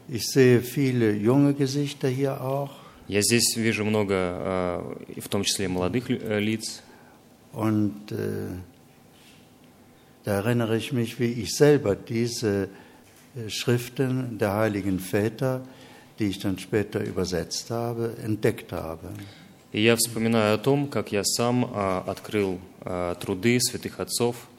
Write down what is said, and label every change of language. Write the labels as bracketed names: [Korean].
[German] Ich sehe viele junge Gesichter hier auch. [Russian] Я здесь вижу много, в том числе молодых лиц. [German] Und da erinnere ich mich, wie ich selber diese Schriften der heiligen Väter, die ich dann später übersetzt habe, entdeckt habe. [Russian] И я вспоминаю о том, как я сам открыл труды святых отцов.